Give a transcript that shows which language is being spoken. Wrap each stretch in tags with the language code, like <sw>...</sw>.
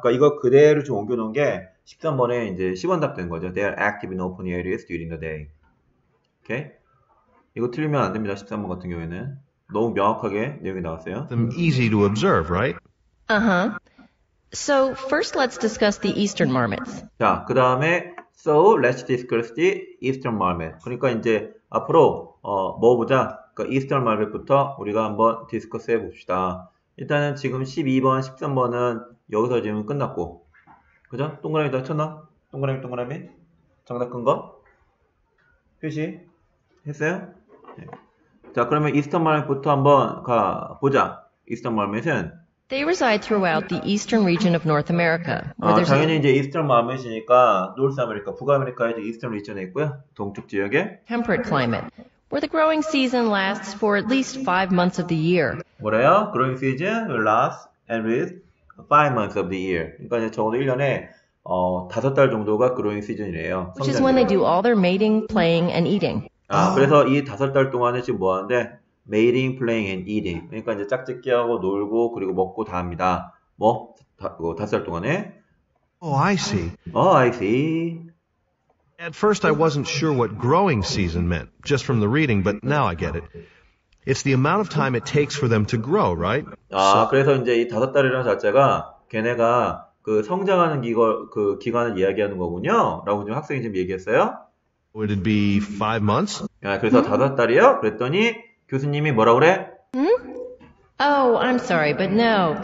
<ko>그러니까 이거 그대로 좀 옮겨놓은 게 13번에 이제 10번 답 된 거죠.</ko> <en>They are active in open areas during the day.</en> <ko>Okay? 이거 틀리면 안 됩니다. 13번 같은 경우에는 너무 명확하게 내용이 나왔어요.</ko> <en>Easy to observe, right? Uh-huh. So first, let's discuss the eastern marmots. 자, 그 다음에 so let's discuss the eastern marmot.</en> <ko>그러니까 이제 앞으로 뭐 보자. 그러니까 eastern marmot부터 우리가 한번 디스커스 해봅시다. 일단은 지금 12번, 13번은 여기서 지금 끝났고, 그죠? 동그라미 다 쳤나? 동그라미, 동그라미. 정답 큰 거 표시 했어요? 자, 그러면 Eastern Marmot부터 한번 가 보자. Eastern Marmot은</ko> <en>They reside throughout the eastern region of North America.</en> <ko>아, 당연히 이제 Eastern Marmot이니까 North America, 북아메리카의 Eastern region에 있고요. 동쪽 지역에</ko> <en>Temperate climate, where the growing season lasts for at least 5 months of the year.</en> <ko>뭐래요?</ko> <en>Growing season will last at least 5 months of the year.</en> <ko>그러니까 이제 적어도 1년에 5달 정도가 growing season이래요.</ko> <en>Which is when they do all their mating, playing, and eating.</en> <ko>아, 그래서 이 다섯 달 동안에 지금 뭐 하는데?</ko> <en>mating, playing, and eating.</en> <ko>그러니까 이제 짝짓기하고 놀고 그리고 먹고 다 합니다. 뭐? 다섯 달 동안에?</ko> <en>Oh, I see. Oh, I see. At first I wasn't sure what growing season meant, just from the reading, but now I get it. It's the amount of time it takes for them to grow, right?</en> <ko>아, 그래서 이제 이 다섯 달이라는 자체가 걔네가 그 성장하는 기간을 이야기하는 거군요. 라고 지금 학생이 지금 얘기했어요.</ko> <en>Would it be 5 months?</en> <ko>야, 그래서 다섯 달이요? 그랬더니 교수님이 뭐라고 그래?</ko> <en>응? Oh, I'm sorry, but no.</en>